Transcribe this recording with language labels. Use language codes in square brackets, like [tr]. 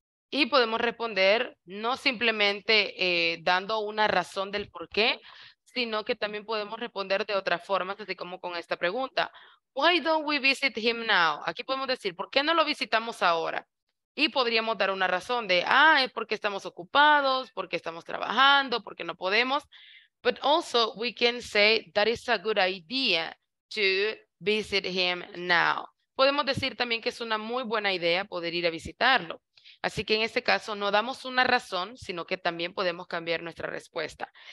[es] Y podemos responder no simplemente dando una razón del por qué, sino que también podemos responder de otras formas, así como con esta pregunta. [en] Why don't we visit him now? [es] Aquí podemos decir, ¿por qué no lo visitamos ahora? Y podríamos dar una razón de, ah, es porque estamos ocupados, porque estamos trabajando, porque no podemos. [en] But also we can say that is a good idea to visit him now. [es] Podemos decir también que es una muy buena idea poder ir a visitarlo. Así que en este caso no damos una razón, sino que también podemos cambiar nuestra respuesta.